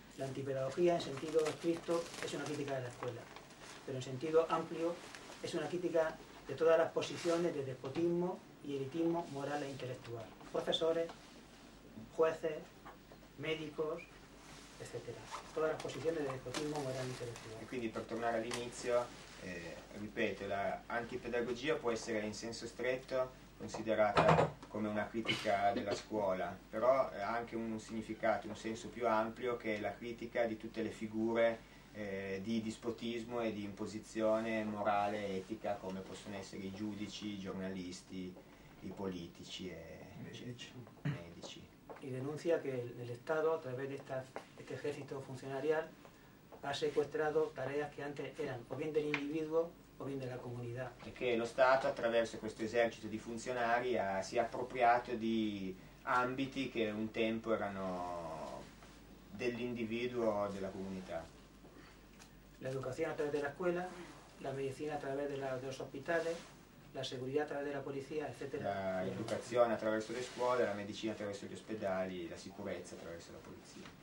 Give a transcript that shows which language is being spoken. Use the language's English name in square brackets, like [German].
[Spanish] La antipedagogía en sentido estricto es una crítica de la escuela. Pero en sentido amplio es una crítica de todas las posiciones de despotismo y elitismo moral e intelectual. Profesores, jueces, médicos, etc. Todas las posiciones de despotismo moral e intelectual. [Italian] Y quindi per tornare all'inizio, ripeto, la antipedagogía puede ser en senso estricto considerata come una critica della scuola, però ha anche un significato, un senso più ampio, che è la critica di tutte le figure di dispotismo e di imposizione morale e etica, come possono essere i giudici, i giornalisti, i politici e i medici. [Spanish] Y denuncia che el Estado, a través de este ejército funcionarial, ha secuestrado tareas que antes eran o bien del individuo o bien de la comunidad. [Italian] E che lo Stato, attraverso questo esercito di funzionari, si è appropriato di ambiti che un tempo erano dell'individuo o della comunità. [Spanish] La educación a través de la escuela, la medicina a través de los hospitales, la seguridad a través de la policía, etc. [Italian] La educazione attraverso le scuole, la medicina attraverso gli ospedali, la sicurezza attraverso la polizia.